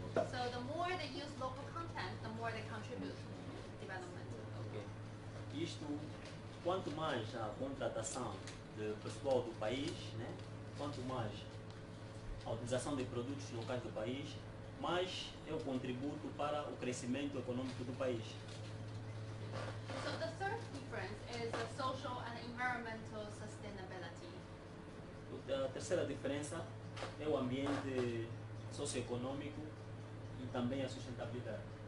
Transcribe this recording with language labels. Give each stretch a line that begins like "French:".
English: So the more they use local content, the more they contribute to development. Okay.
Portuguese: Isto, quanto mais a contratação do pessoal do país, né? Quanto mais a utilização de produtos locais do país, mais é o contributo para o crescimento econômico do país.
English: So the third difference is the social and environmental sustainability.
Portuguese: A terceira diferença é o ambiente socioeconômico e também a sustentabilidade.